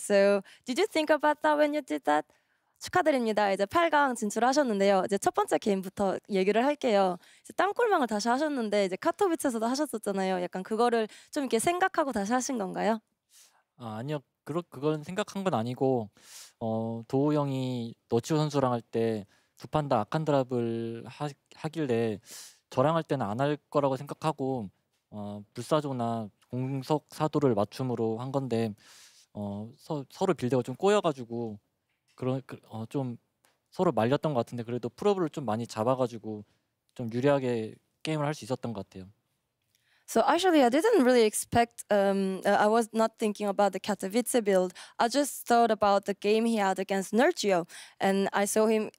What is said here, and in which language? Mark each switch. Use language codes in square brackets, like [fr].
[en] So did you think about that when you did that? [ko] 축하드립니다. 이제 8강 진출하셨는데요. 이제 첫 번째 게임부터 얘기를 할게요. 이제 땅골망을 다시 하셨는데 이제 카토비츠에서도 하셨었잖아요. 약간 그거를 좀 이렇게 생각하고 다시 하신 건가요? 아니요. 그건 생각한 건 아니고 도우 형이 노치오 선수랑 할 때 두 판 다 아칸드랍을 하길래 저랑 할 때는 안 할 거라고 생각하고 불사조나 공속 사도를 맞춤으로 한 건데 서로 빌드가 좀 꼬여가지고 좀 서로 말렸던 것 같은데 그래도 프로브를 좀 많이 잡아가지고 좀 유리하게 게임을 할 수 있었던 것 같아요. [en] So actually, I didn't really expect. I was not thinking about the Katowice build. I just thought about the game he had against Nergio, and I saw him.